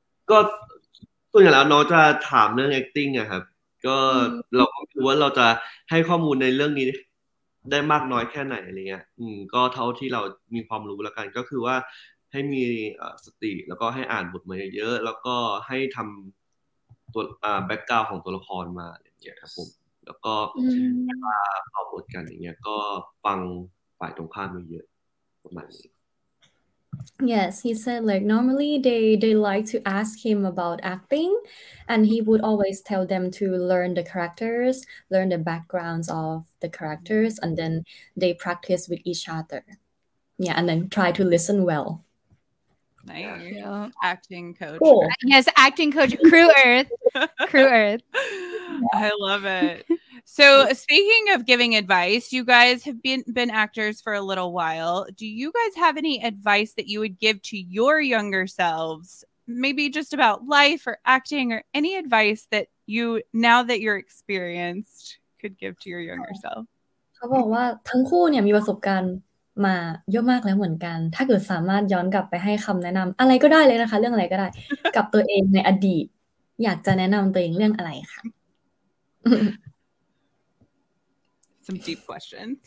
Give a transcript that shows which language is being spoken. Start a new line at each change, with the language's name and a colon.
Thai: ก็ส่วนใหญ่แล้วน้องจะถามเรื่อง acting อะครับก็เราก็คิดว่าเราจะให้ข้อมูลในเรื่องนี้ได้มากน้อยแค่ไหนอะไรเงี้ยก็เท่าที่เรามีความรู้แล้วกันก็คือว่าให้มีสติแล้วก็ให้อ่านบทมาเยอะๆแล้วก็ให้ทำตัวแบ็คกราวด์ของตัวละครมาอะไรเงี้ยครับผมแล้วก็เวลาเข้าบทกันอย่างเงี้ยก็ฟังฝ่ายตรงข้ามมาเยอะประมาณนี้
English: Yes he said like normally they like to ask him about acting and he would always tell them to learn the characters learn the backgrounds of the characters and then they practice with each other yeah and then try to listen well Nice. Acting coach. Cool. Yes, acting coach. Crew Earth. Crew Earth. I love it. So speaking of giving advice, you guys have been actors for a little while. Do you guys have any advice that you would give to your younger selves? Maybe just about life or acting or any advice that you, now that you're experienced, could give to your younger self?
Thai: เขาบอกว่าทั้งคู่เนี่ยมีประสบการณ์มาเยอะมากแล้วเหมือนกันถ้าเกิดสามารถย้อนกลับไปให้คำแนะนำอะไรก็ได้เลยนะคะเรื่องอะไรก็ได้กับตัวเองในอดีตอยากจะแนะนำตัวเองเรื่องอะไรคะ
English: Some deep questions